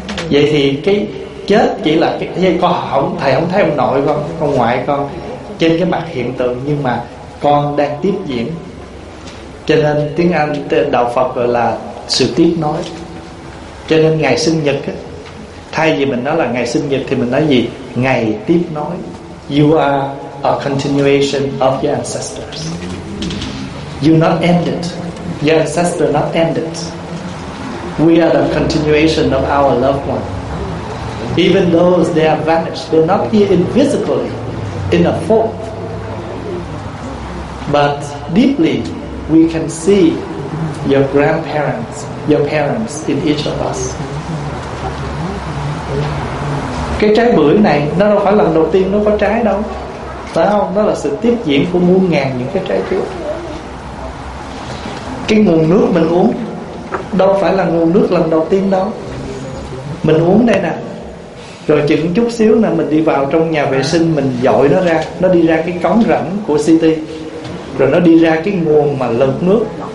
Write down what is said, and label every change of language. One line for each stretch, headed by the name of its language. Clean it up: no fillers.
Vietnamese: Vậy thì cái chết chỉ là cái con không, thầy không thấy ông nội con, ông ngoại con trên cái mặt hiện tượng, nhưng mà con đang tiếp diễn. Cho nên tiếng Anh đạo Phật gọi là sự tiếp nối. Cho nên ngày sinh nhật ấy, thay vì mình nói là ngày sinh nhật thì mình nói gì? Ngày tiếp nối.
English: You are a continuation of your ancestors. You not ended. Your ancestor not ended. We are the continuation of our loved one. Even those they have vanished, they're not here invisibly in a form, but deeply we can see your grandparents, your parents in each of us.
Vietnamese: Cái trái bưởi này nó đâu phải lần đầu tiên nó có trái đâu, phải không? Nó là sự tiếp diễn của muôn ngàn những cái trái trước. Cái nguồn nước mình uống đâu phải là nguồn nước lần đầu tiên đâu. Mình uống đây nè, rồi chừng chút xíu nè, mình đi vào trong nhà vệ sinh, mình dội nó ra, nó đi ra cái cống rãnh của city, rồi nó đi ra cái nguồn mà lọc nước.